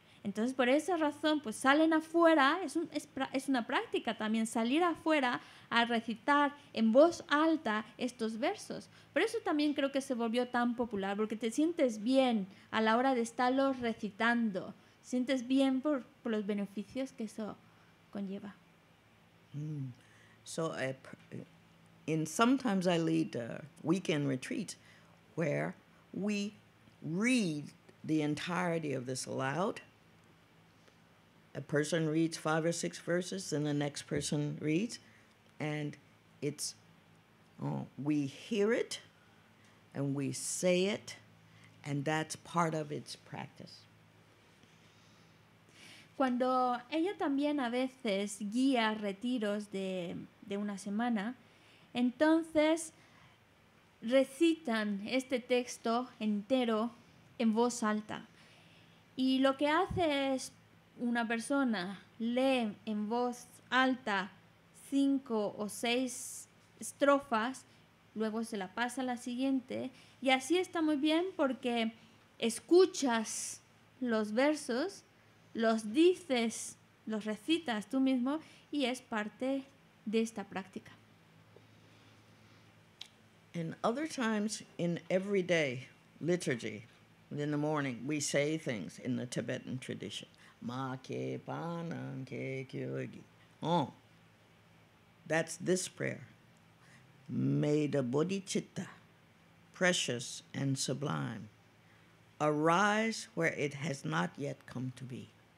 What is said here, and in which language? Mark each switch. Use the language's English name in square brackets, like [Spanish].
[Spanish] Entonces, por esa razón, pues salen afuera, es una práctica también salir afuera a recitar en voz alta estos versos. Por eso también creo que se volvió tan popular, porque te sientes bien a la hora de estarlos recitando. Sientes bien por los beneficios que eso conlleva. [English] So, and sometimes I lead a weekend retreat where we read the entirety of this aloud. A person reads 5 or 6 verses, then the next person reads, and it's we hear it and we say it, and that's part of its practice. [Spanish] Cuando ella también a veces guía retiros de una semana, entonces recitan este texto entero en voz alta. Y lo que hace es una persona lee en voz alta 5 o 6 estrofas, luego se la pasa a la siguiente, y así está muy bien porque escuchas los versos, los dices, los recitas tú mismo, y es parte de esta práctica. [English] And other times in everyday liturgy, in the morning, we say things in the Tibetan tradition. Ma ke panan ke kyogi. Oh, that's this prayer. May the bodhicitta, precious and sublime, arise where it has not yet come to be.